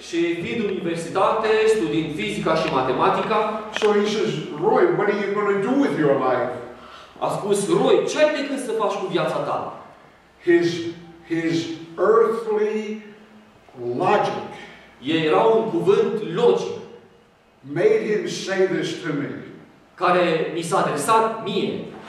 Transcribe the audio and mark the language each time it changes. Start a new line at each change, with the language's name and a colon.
Romanian: Și fiind universitate, studiind fizica și matematica.
English: So he says, Roy, what are you going to do with your life?
Romanian: A spus, Roy, ce ai de gând să faci cu viața ta?
English: His earthly logic.
Romanian: Era un cuvânt logic.
English: Made him say this to me.
Romanian: Care mi s-a adresat mie.